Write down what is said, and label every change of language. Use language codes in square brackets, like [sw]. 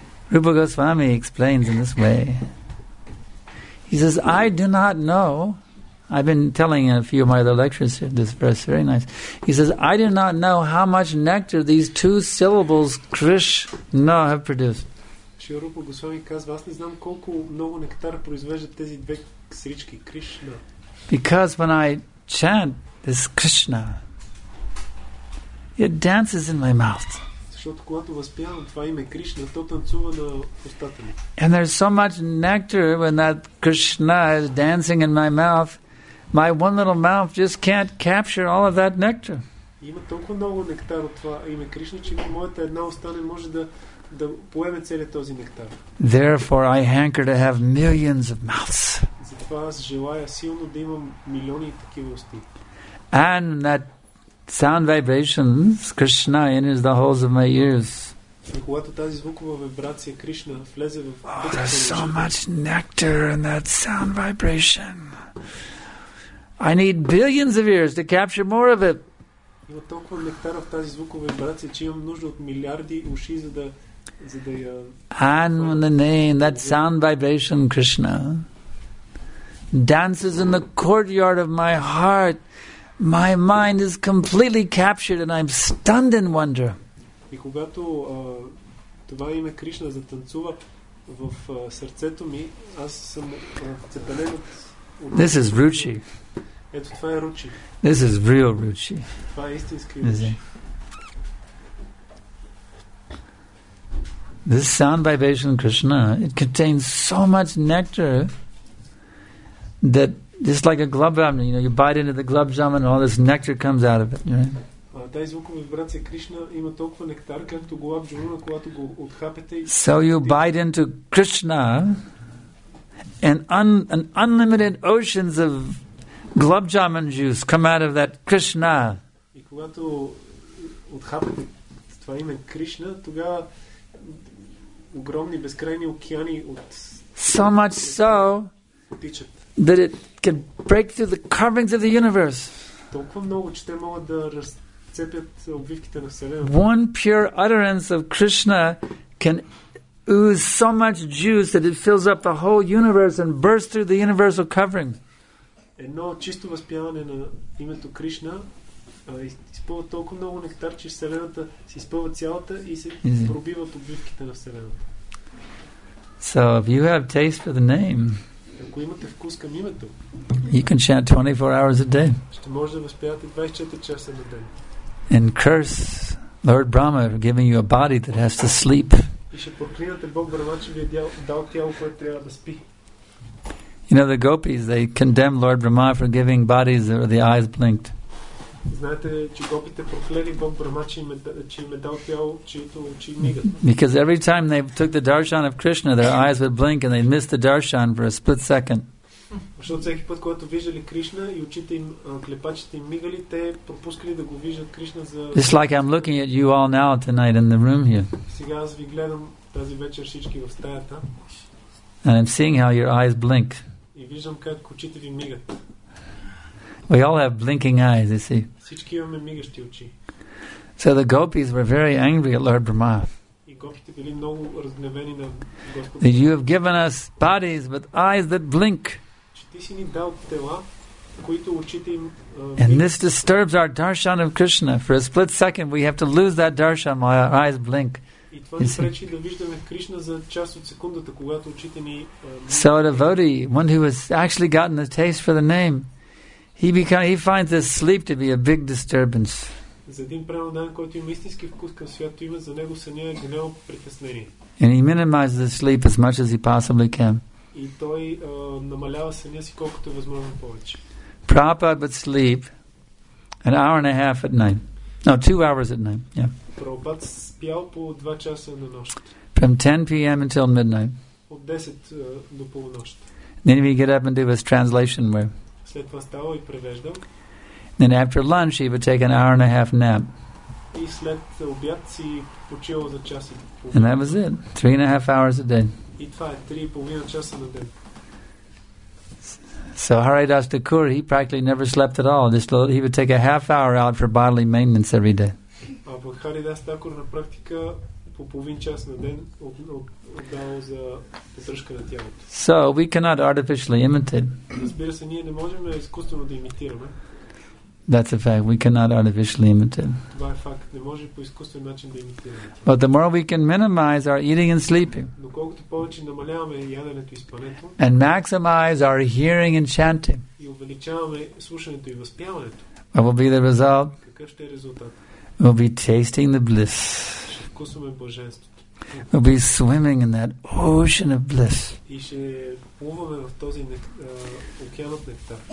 [en] Rupa Goswami explains in this way. He says, I do not know. I've been telling in a few of my other lectures here, this verse, very nice. He says, I do not know how much nectar these two syllables Krishna have produced. [bg] Шрила Рупа Госвами казва, аз не знам колко много нектар произвеждат тези две срички, Кришна. [en] Because when I chant this Krishna, it dances in my mouth. [bg] Защото когато възпявам това име Кришна, то танцува на устата ми. [en] And there's so much nectar when that Krishna is dancing in my mouth, my one little mouth just can't capture all of that nectar. [bg] Има толкова много нектар от това име Кришна, че моята една уста не може да да поеме целия този нектар. [en] Therefore I hanker to have millions of mouths. [bg] Затова аз желая силно да имам милиони такива усти. [en] And that sound vibrations Krishna enters the holes of my ears. [bg] И когато тази звукова вибрация Кришна влезе в... [en] Oh, there's so much nectar in that sound vibration. I need billions of ears to capture more of it. [bg] Има толкова нектар в тази звукова вибрация, че имам нужда от милиарди уши, за да [en] And when the name, that sound vibration, Krishna, dances in the courtyard of my heart, my mind is completely captured and I'm stunned in wonder. [bg] И когато това име Кришна затанцува в сърцето ми, аз съм вцепенен от... [en] This is Ruchi. [bg] Ето това е Ruchi. [en] This is real Ruchi. [bg] Това е истински Ruchi. [en] This sound vibration Krishna, it contains so much nectar that just like a gulab jamun, you know, you bite into the gulab jamun and all this nectar comes out of it, right? So you bite into Krishna and unlimited oceans of gulab jamun juice come out of that Krishna. [bg] И когато отхапате това име Кришна, тогава огромни безкрайни океани от [en] so much so [bg] течат. [en] That it can break through the carvings of the universe. [bg] Толкова много, че те могат да разцепят обвивките на вселената. [en] One pure utterance of Krishna can ooze so much juice that it fills up the whole universe and bursts through the universal covering. [bg] Едно чисто възпяване на името Кришна изпълва толкова много нектар, че вселената се изпълва цялата и се пробива от обвивките на вселената. [en] So if you have taste for the name, [bg] ако имате вкус към името, [en] you can chant 24 hours a day. [bg] Ще може да възпявате 24 часа на ден. [en] And curse Lord Brahma for giving you a body that has to sleep. [bg] И ще проклинате Бог Брама, че ви е дал тяло, което трябва да спи. [en] You know the gopis, they condemn Lord Brahma for giving bodies where the eyes blinked. [bg] Знаете, че гопите прокляли Бог Брама, че им е дал тяло, чието очи мигат. [en] Because every time they took the darshan of Krishna, their eyes would blink and they'd miss the darshan for a split second. [bg] Защото всеки път, когато виждали Кришна и очите им, клепачите им мигали, те пропускали да го виждат Кришна за... [en] It's like I'm looking at you all now tonight in the room here. [bg] Сега аз ви гледам тази вечер всички в стаята. [en] And I'm seeing how your eyes blink. [bg] И виждам как очите ви мигат. [en] We all have blinking eyes, you see. [bg] Всички имаме мигащи очи. [en] So the gopis were very angry at Lord Brahma. [bg] И гопите били много разгневени на Господ. [en] That you have given us bodies with eyes that blink. [bg] Ти си ни дал тела, които очите им... [en] And this disturbs our darshan of Krishna. For a split second, we have to lose that darshan while our eyes blink. [bg] И това ни пречи да виждаме Кришна за част от секундата, когато очите ни... [en] So a devotee, one who has actually gotten the taste for the name, he finds this sleep to be a big disturbance. [bg] За един праведен, който има истински вкус към свято име, за него съня е голямо притеснение. [en] And he minimizes the sleep as much as he possibly can. [bg] И той намалява съня си колкото е възможно повече. [en] Prabhupada would sleep an hour and a half at night. No, 2 hours at night. Yeah. [bg] Prabhupada спял по 2 часа на нощ. [en] From 10 p.m. until midnight. [bg] От 10 до полунощ. [en] Then he'd get up and do his translation work. [bg] След това ставал и превеждал. [en] Then after lunch he would take an hour and a half nap. [bg] И след обяд си почивал за час и половина. [en] And that was it. 3.5 hours a day. [bg] И това е 3.5 часа на ден. [en] So Haridas Thakur, he practically never slept at all. Just he would take a half hour out for bodily maintenance every day. [bg] А в Haridas Thakur на практика по половин час на ден отдавал за поддръжка на тялото. [en] So we cannot artificially imitate. [bg] Разбира се, ние не можем изкуствено да имитираме. [en] That's a fact. We cannot artificially imitate. [bg] Това е факт. Не може по изкуствен начин да имитираме. [en] But the more we can minimize our eating and sleeping. [bg] Но колкото повече намаляваме яденето и спането. [en] And maximize our hearing and chanting. [bg] И увеличаваме слушането и възпяването. [en] What will be the result? [bg] Какъв ще е резултат? [en] We'll be tasting the bliss. [bg] Ще вкусваме блаженството. [en] We'll be swimming in that ocean of bliss. [bg] И ще плуваме в този океан от нектар.